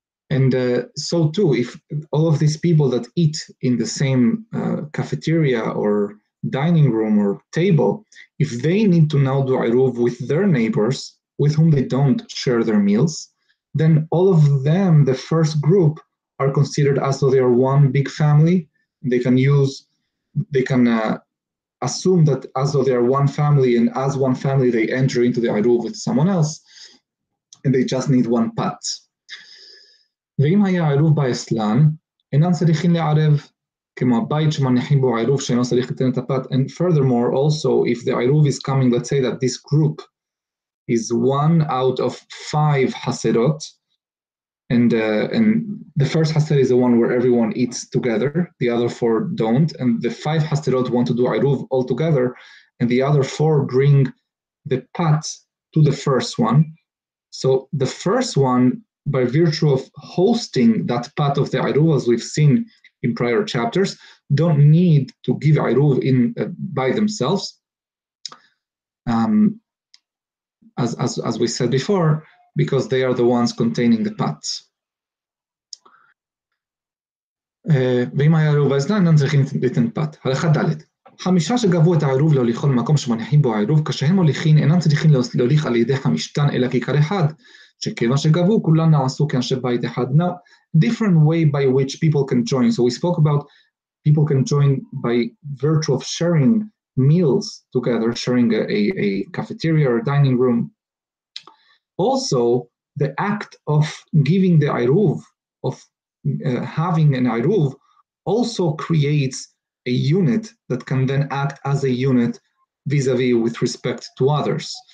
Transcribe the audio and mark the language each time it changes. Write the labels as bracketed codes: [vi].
[en] And so too, if all of these people that eat in the same cafeteria or dining room or table, if they need to now do eruv with their neighbors, with whom they don't share their meals, then all of them, the first group, are considered as though they are one big family. They can assume that as though they are one family, and as one family, they enter into the eruv with someone else, and they just need one pat. [he] ואם היה עירוב באסלן, אינן צריכים לערב, כמו הבית שמניחים בו עירוב שאינו צריך לתן את הפת. [en] And furthermore, also, if the עירוב is coming, let's say that this group is one out of five חסרות, and the first חסר is the one where everyone eats together, the other four don't, and the five חסרות want to do עירוב altogether, and the other four bring the pat to the first one. So the first one, by virtue of hosting that pat of the Eruv, as we've seen in prior chapters, don't need to give Eruv in by themselves. As we said before, because they are the ones containing the pat. [he] ואם היה עירוב באסלן, אינם צריכים לתן פת. הלכה ד' חמישה שגבו את העירוב להוליכו למקום שמניחים בו העירוב, כשהם הוליכים, אינם צריכים להוליך על ידי חמישתן, אלא כיכר אחד, שכיוון שגבו, כולם נעשו כאנשי בית אחד. [en] Now, different way by which people can join. So we spoke about people can join by virtue of sharing meals together, sharing a cafeteria or a dining room. Also, the act of giving the Eruv, of having an Eruv, also creates a unit that can then act as a unit vis-a-vis with respect to others.